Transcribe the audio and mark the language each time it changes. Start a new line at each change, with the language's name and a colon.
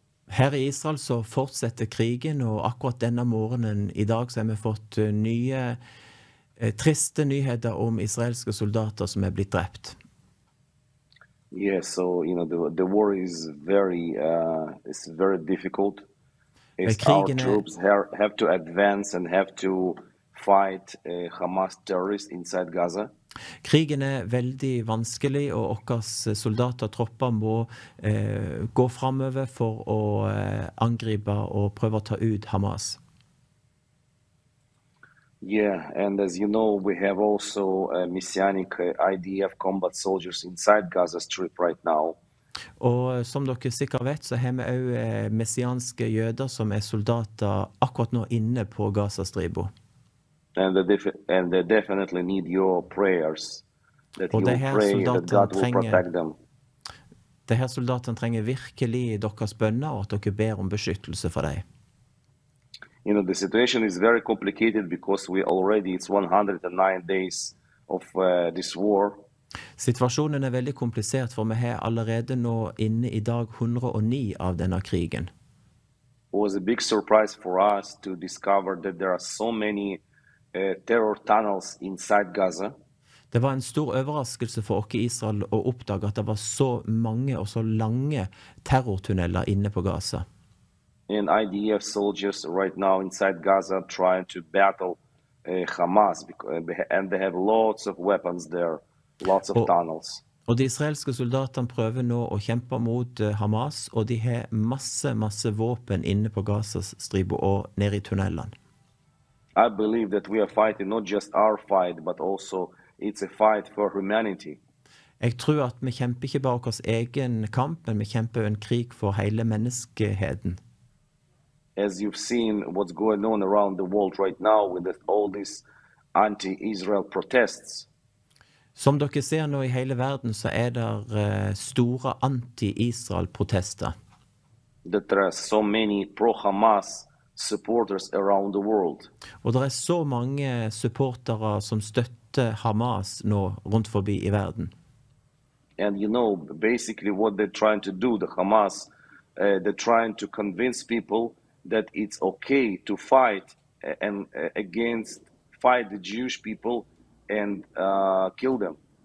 Norwegian: Her i Israel så fortsetter krigen, og akkurat denne morgenen i dag så har vi fått nye, triste nyheter om israelske soldater som blitt drept.
English: Yes, so you know the war is very it's very difficult. Our troops have to advance and have to fight Hamas terrorists inside Gaza.
Norwegian: Krigen er veldig vanskelig, og deres soldater og tropper må gå fremover for å angripe og prøve å ta ut Hamas.
English: Yeah, and as you know, we have also a messianic IDF combat soldiers inside Gaza Strip right now.
Norwegian: Og som dere sikkert vet, så har vi også messianske jøder som soldater akkurat nå inne på Gaza-stribo.
English: And they definitely need your prayers, that you pray that God will protect them.
Norwegian: De her soldaterne trenger virkelig deres bønner, og at dere ber om beskyttelse for dem.
English: You know, the situation is very complicated because we already, it's 109 days of this war.
Norwegian: Situasjonen er veldig komplisert, for vi har allerede nå inne i dag 109 av denne krigen.
English: It was a big surprise for us to discover that there are so many terror tunnels inside Gaza.
Norwegian: Det var en stor overraskelse for oss i Israel å oppdage at det var så mange og så lange terrortunneler inne på Gaza.
English: And IDF soldiers right now inside Gaza trying to battle Hamas, and they have lots of weapons there, lots of tunnels.
Norwegian: Og de israelske soldatene prøver nå å kjempe mot Hamas, og de har masse våpen inne på Gazas stribo og nede i tunnelene.
English: I believe that we are fighting not just our fight, but also it's a fight for humanity.
Norwegian: Jeg tror at vi kjemper ikke bare vår egen kamp, men vi kjemper en krig for hele menneskeheten.
English: As you've seen what's going on around the world right now with all these anti-Israel protests.
Norwegian: Som dere ser nå i hele verden, så er det store anti-Israel protester.
English: That there are so many pro-Hamas supporters around the world.
Norwegian: Og det er så mange supportere som støtter Hamas nå rundt forbi i verden.
English: And you know, basically what they're trying to do, the Hamas, they're trying to convince people that it's okay to fight and against fight the Jewish people and kill them.